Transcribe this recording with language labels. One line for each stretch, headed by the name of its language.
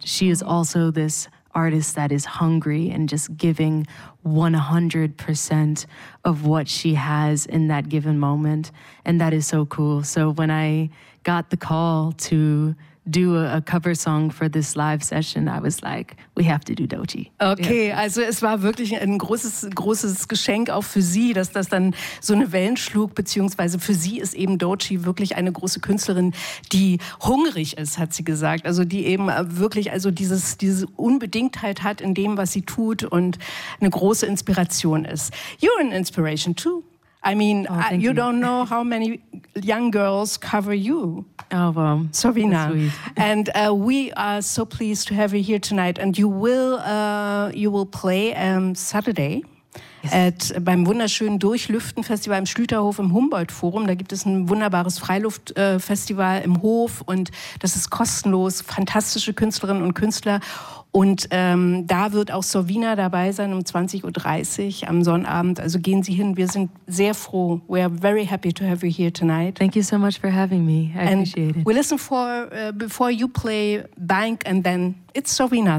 English: She is also this artist that is hungry and just giving 100% of what she has in that given moment. And that is so cool. So when I got the call to do a cover song for this live session, I was like, we have to do Doechii. Okay, yeah.
German: Also es war wirklich ein großes Geschenk auch für Sie, dass das dann so eine Wellen schlug, beziehungsweise für Sie ist eben Doechii wirklich eine große Künstlerin, die hungrig ist, hat sie gesagt. Also die eben wirklich also diese Unbedingtheit hat in dem, was sie tut und eine große Inspiration ist.
English: You're an inspiration too. I mean, you don't know how many young girls cover you. Oh, wow. Sovina. And we are so pleased to have you here tonight. And you will play Saturday. Yes.
German: Beim wunderschönen Durchlüften-Festival im Schlüterhof im Humboldt-Forum. Da gibt es ein wunderbares Freiluft-Festival im Hof. Und das ist kostenlos. Fantastische Künstlerinnen und Künstler. Und da wird auch Sovina dabei sein um 20.30 Uhr am Sonnabend. Also gehen Sie hin. Wir sind sehr froh.
English: We are very happy to have you here tonight. Thank you so much for having me. I and appreciate it. We listen for, before you play Bank, and then it's Sovina.